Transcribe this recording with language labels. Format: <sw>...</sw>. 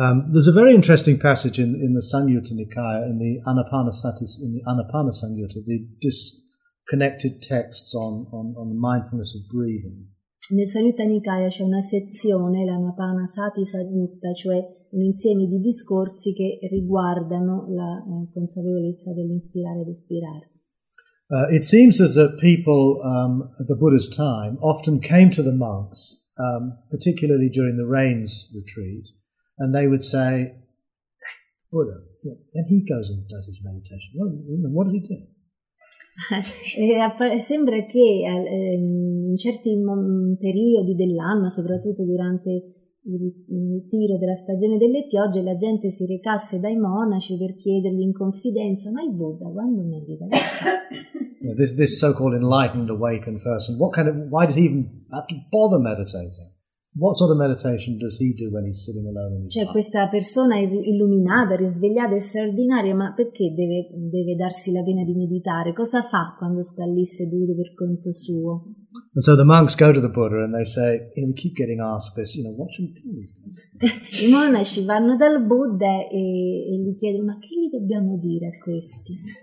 <en>There's a very interesting passage in the Sanyutta Nikaya, in the Anapanasati Sanyutta, the disconnected texts on the mindfulness of breathing.</en> <it>Nel Sanyutta Nikaya c'è una sezione, l'Anapanasati Sanyutta, cioè un insieme di discorsi che riguardano la consapevolezza dell'inspirare ed espirare.</it> <en>It seems as that people at the Buddha's time often came to the monks, particularly during the rains retreat, and they would say, Buddha, and he goes and does his meditation. Well, what did he do?</en> <it>Sembra che in certi periodi dell'anno, soprattutto durante il ritiro della stagione delle piogge, la gente si recasse dai monaci per chiedergli in confidenza, ma il Buddha quando medita?</it> <en>This so-called enlightened, awakened person, why does he even have to bother meditating? What sort of meditation does he do when he's sitting alone in his heart?</en> <it>Cioè, questa persona illuminata, risvegliata, straordinaria, ma perché deve darsi la pena di meditare? Cosa fa quando sta lì seduto per conto suo?</it> <en>And so the monks go to the Buddha and they say, you know, we keep getting asked this, you know, what should we do?</en> <it>I monaci vanno dal Buddha e gli chiedono, ma che gli dobbiamo dire a questi?</it>